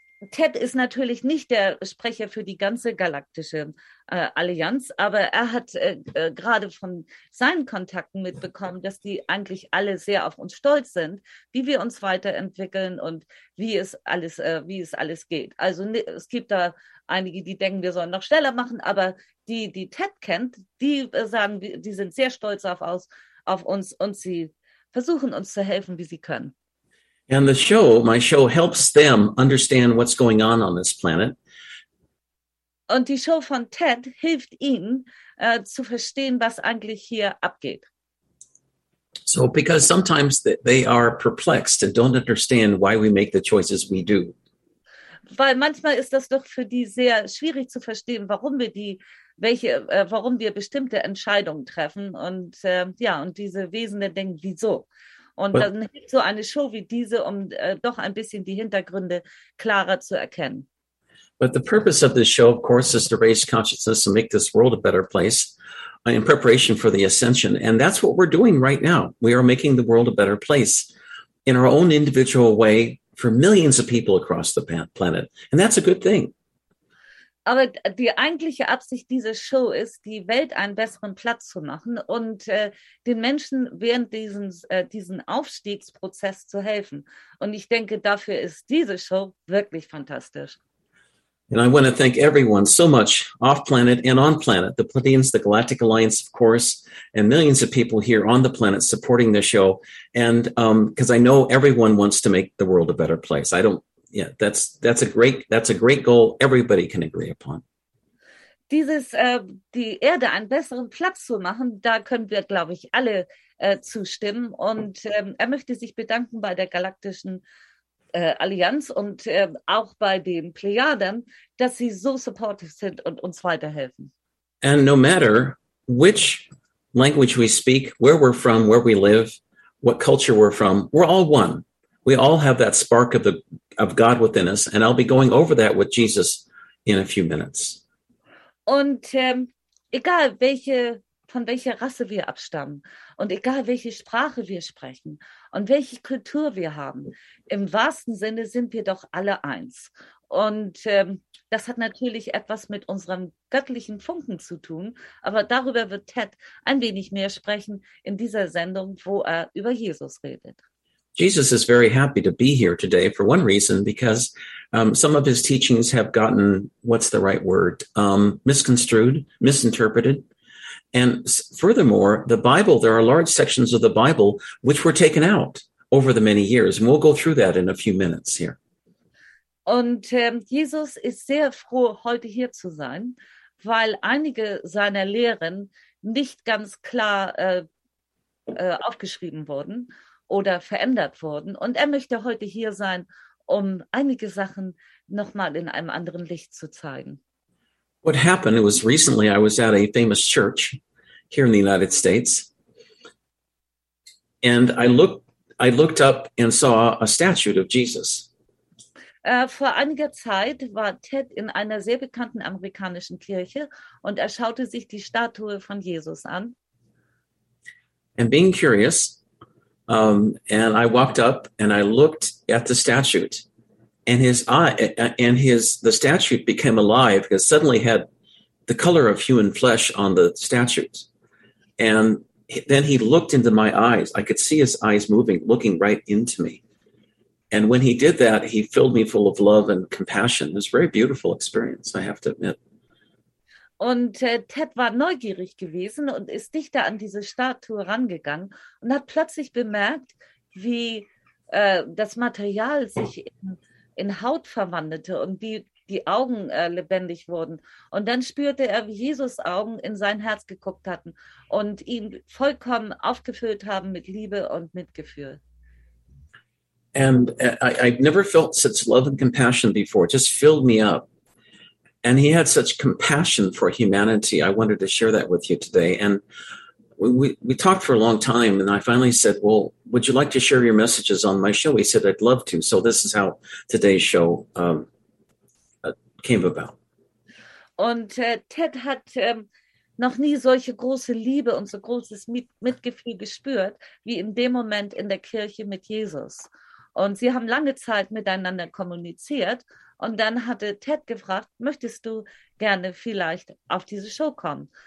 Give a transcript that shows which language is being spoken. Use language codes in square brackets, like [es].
[de] Ted ist natürlich nicht der Sprecher für die ganze galaktische Allianz, aber er hat gerade von seinen Kontakten mitbekommen, dass die eigentlich alle sehr auf uns stolz sind, wie wir uns weiterentwickeln und wie es alles geht. Also es gibt da einige, die denken, wir sollen noch schneller machen, aber die Ted kennt, die sagen, die sind sehr stolz auf uns und sie versuchen uns zu helfen, wie sie können. [en] And the show, my show, helps them understand what's going on this planet. [de] Und die Show von Ted hilft ihnen, zu verstehen, was eigentlich hier abgeht. [en] So because sometimes they are perplexed and don't understand why we make the choices we do. [de] Weil manchmal ist das doch für die sehr schwierig zu verstehen, warum wir die welche warum wir bestimmte Entscheidungen treffen und ja und diese Wesen denken wieso. Und dann hilft so eine Show wie diese, um doch ein bisschen die Hintergründe klarer zu erkennen. [en] But the purpose of this show, of course, is to raise consciousness and make this world a better place in preparation for the ascension. And that's what we're doing right now. We are making the world a better place in our own individual way for millions of people across the planet. And that's a good thing. [de] Aber die eigentliche Absicht dieser Show ist, die Welt einen besseren Platz zu machen und den Menschen während diesen Aufstiegsprozess zu helfen. Und ich denke, dafür ist diese Show wirklich fantastisch. [en] And I want to thank everyone so much, off-planet and on-planet, the Pleiadians, the Galactic Alliance, of course, and millions of people here on the planet supporting the show. And because I know everyone wants to make the world a better place. That's a great goal everybody can agree upon. [de] Dieses, die Erde einen besseren Platz zu machen, da können wir, glaube ich, alle zustimmen. Und er möchte sich bedanken bei der Galaktischen Allianz und auch bei den Plejaden, dass sie so supportive sind und uns weiterhelfen. [en] And no matter which language we speak, where we're from, where we live, what culture we're from, we're all one. We all have that spark of God within us, and I'll be going over that with Jesus in a few minutes. [de] Und egal welche von welcher Rasse wir abstammen und egal welche Sprache wir sprechen und welche Kultur wir haben, im wahrsten Sinne sind wir doch alle eins. Und das hat natürlich etwas mit unserem göttlichen Funken zu tun, aber darüber wird Ted ein wenig mehr sprechen in dieser Sendung, wo er über Jesus redet. [en] Jesus is very happy to be here today for one reason, because some of his teachings have gotten, what's the right word, misconstrued, misinterpreted. And furthermore, the Bible, there are large sections of the Bible which were taken out over the many years. And we'll go through that in a few minutes here. [de] Und Jesus ist sehr froh, heute hier zu sein, weil einige seiner Lehren nicht ganz klar aufgeschrieben wurden oder verändert wurden. Und er möchte heute hier sein, um einige Sachen nochmal in einem anderen Licht zu zeigen. [en] What happened, it was recently I was at a famous church here in the United States, and I looked up and saw a statue of Jesus. [de] Vor einiger Zeit war Ted in einer sehr bekannten amerikanischen Kirche und er schaute sich die Statue von Jesus an. [en] And being curious, and I walked up and I looked at the statue. And the statue became alive, because suddenly had the color of human flesh on the statue. And then he looked into my eyes. I could see his eyes moving, looking right into me. And when he did that, he filled me full of love and compassion. It was a very beautiful experience, I have to admit. [de] Und Ted war neugierig gewesen und ist dichter an diese Statue rangegangen und hat plötzlich bemerkt, wie das Material sich in Haut verwandelte und die Augen lebendig wurden. Und dann spürte er, wie Jesus' Augen in sein Herz geguckt hatten und ihn vollkommen aufgefüllt haben mit Liebe und Mitgefühl. [en] And I've never felt such love and compassion before. It just filled me up. And he had such compassion for humanity. I wanted to share that with you today. And we talked for a long time, and I finally said, well, would you like to share your messages on my show? He said, I'd love to. So this is how today's show came about. [de] Und Ted hat noch nie solche große Liebe und so großes Mitgefühl gespürt, wie in dem Moment in der Kirche mit Jesus. Und sie haben lange Zeit miteinander kommuniziert. Und dann hatte Ted gefragt, möchtest du gerne vielleicht auf diese Show kommen?